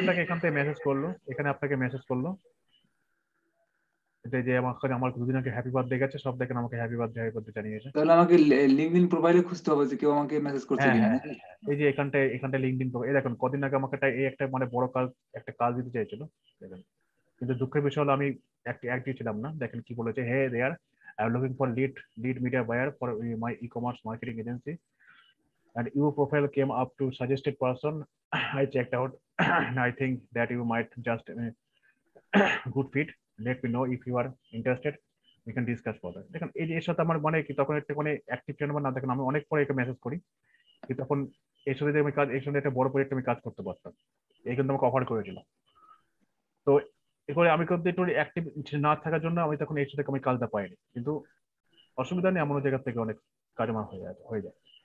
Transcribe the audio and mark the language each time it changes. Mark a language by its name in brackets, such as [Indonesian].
[Bangla] আপনাকে এখান থেকে মেসেজ করলো, এখানে আপনাকে মেসেজ করলো এটা যে আমার আমার দুদিন আগে হ্যাপি বার্থডে গেছে, সব দেখেন আমাকে হ্যাপি বার্থডে জানিয়েছে। তাহলে আমাকে লিংকডইন প্রোফাইলে খুঁজতে হবে যে কেউ আমাকে মেসেজ করছে কিনা। এই যে এখানটা এখানটা লিংকডইন প্রোফাইল, এই দেখুন কদিন আগে আমাকে এই একটা মানে বড় কাজ একটা কাজ দিতে চাইছিল দেখেন, কিন্তু দুঃখের বিষয় হলো আমি একটা অ্যাক্টিভ ছিলাম না। দেখেন কি বলেছে, [English] Hey there I am looking for lead media buyer for my e-commerce marketing agency and your profile came up to suggested person. I checked out and I think that you might just a good fit. Let me know if you are interested. We can discuss further. [Bangla] দেখুন এই যে এর সাথে আমার মনে হয় কি তখন একটা মানে অ্যাক্টিভ ছিল না, দেখুন আমি অনেক পরে একটা মেসেজ করি কি তখন এর সাথে আমি কাজ, এর সাথে একটা বড় প্রজেক্ট আমি কাজ করতে পারতাম, এই কিন্তু আমাকে অফার করেছিল। তো এরপরে আমি কিন্তু একটু অ্যাক্টিভ না থাকার জন্য আমি তখন এর সাথে আমি কাজটা পাইনি, কিন্তু অসুবিধা নেই এমন জায়গার থেকে অনেক কাজ আমার হয়ে যায় হয়ে যায়।